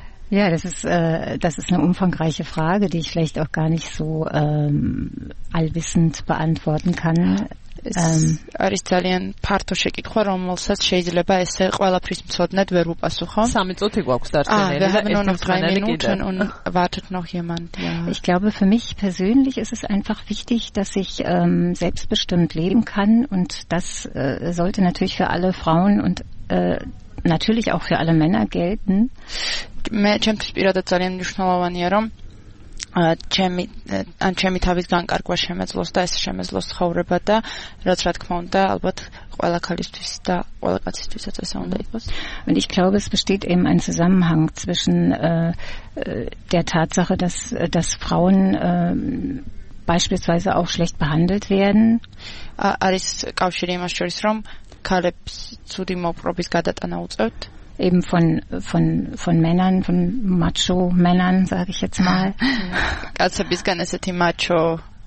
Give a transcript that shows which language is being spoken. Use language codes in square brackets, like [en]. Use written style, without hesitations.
[de] Ja, das ist eine umfangreiche Frage, die ich vielleicht auch gar nicht so allwissend beantworten kann. [ka] არის ძალიან ფართო შეკითხვა, რომელსაც შეიძლება ესე ყველაფრის მცოდნად ვერ უპასუხო. 3 წუთი გვაქვს დარჩენილი. [de] Ich glaube, für mich persönlich ist es einfach wichtig, dass ich selbstbestimmt leben kann und das sollte natürlich für alle Frauen und natürlich auch für alle Männer gelten. [ka] მე ჩემთვის პირადად ძალიან მნიშვნელოვანია, რომ ჩემი ან ჩემი თავის განკარგვა შემეძლოს და ეს შემეძლოს ცხოვრება და რაც რა თქმა უნდა ალბათ ყველა ქალისთვის და ყველა კაცისთვისაც ესა უნდა იყოს. [de] Und ich glaube, es besteht eben ein Zusammenhang zwischen der Tatsache, dass Frauen beispielsweise auch schlecht behandelt werden. [ka] არის კავშირი იმას შორის, რომ ქალებს ცუდი მოპყრობის გადატანა უწევთ. [de] Eben von Männern, von Macho-Männern, sage ich jetzt mal. Also bis ganz ist die Macho